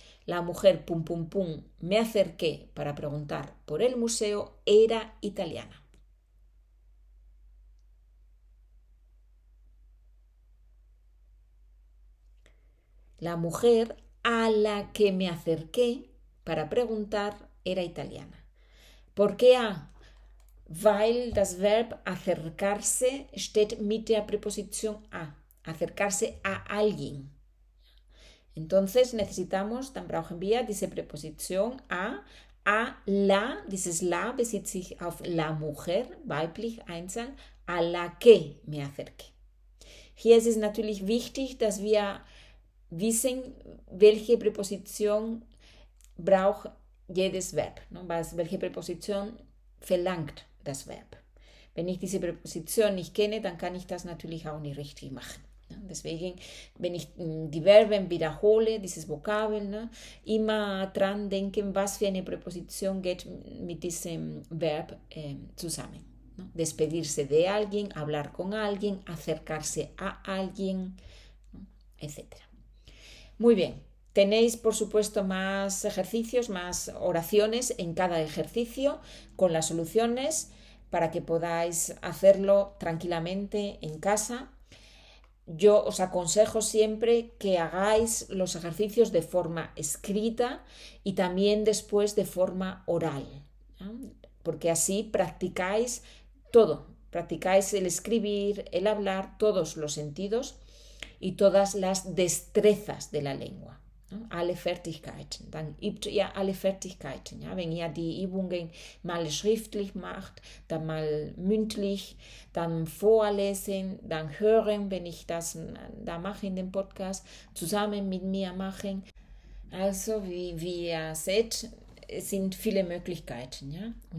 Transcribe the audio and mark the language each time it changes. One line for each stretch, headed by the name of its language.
Spanish: La mujer, pum pum pum, me acerqué para preguntar por el museo, era italiana. La mujer a la que me acerqué para preguntar era italiana. ¿Por qué A?
German: Weil das Verb acercarse steht mit der Präposition a, acercarse a alguien. Entonces necesitamos, dann brauchen wir diese Präposition a la, dieses la bezieht sich auf la mujer, weiblich, Einzahl, a la que me acerqué. Hier ist es natürlich wichtig, dass wir wissen, welche Präposition braucht jedes Verb, ne? Welche Präposition verlangt das Verb? Wenn ich diese Präposition nicht kenne, dann kann ich das natürlich auch nicht richtig machen. Ne? Deswegen, wenn ich die Verben wiederhole, dieses Vokabeln, ne? Immer dran denken, was für eine Präposition geht mit diesem Verb zusammen. Ne?
Spanish: Despedirse de alguien, hablar con alguien, acercarse a alguien, ¿no? Etcétera. Muy bien, tenéis por supuesto más ejercicios, más oraciones en cada ejercicio con las soluciones para que podáis hacerlo tranquilamente en casa. Yo os aconsejo siempre que hagáis los ejercicios de forma escrita y también después de forma oral, ¿no? Porque así practicáis todo, practicáis el escribir, el hablar, todos los sentidos y todas las destrezas de la lengua, ¿no?
German: Alle Fertigkeiten. Dann übt ihr alle Fertigkeiten. Ja? Wenn ihr die Übungen mal schriftlich macht, dann mal mündlich, dann vorlesen, dann hören, wenn ich das da mache in dem Podcast, zusammen mit mir machen. Also, wie ihr seht, es sind viele Möglichkeiten. Ja?